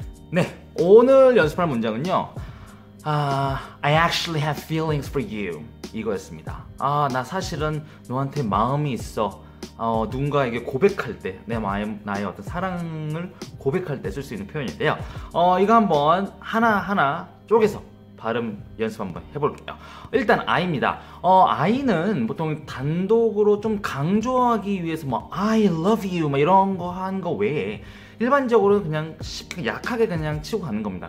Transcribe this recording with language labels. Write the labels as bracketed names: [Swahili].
[Korean] 네, 오늘 연습할 문장은요. [English] I actually have feelings for you. [Korean] 이거였습니다. 아, 나 사실은 너한테 마음이 있어. 누군가에게 고백할 때, 나의 어떤 사랑을 고백할 때 쓸 수 있는 표현인데요. 이거 한번 하나하나 쪼개서 발음 연습 한번 해볼게요. 일단 I입니다. I는 보통 단독으로 좀 강조하기 위해서 뭐 [English] I love you [Korean] 뭐 이런 거 한 거 외에 일반적으로 그냥 약하게 그냥 치고 가는 겁니다.